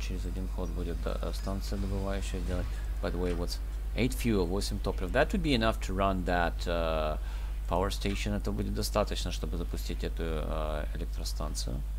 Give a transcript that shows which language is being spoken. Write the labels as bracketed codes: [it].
[ru] Через один ход будет станция добывающая делать. [en] By the way, what's 8 fuel, [ru] 8 топлив. [en] That would be enough to run that power station. [ru] Это будет достаточно, чтобы запустить эту электростанцию.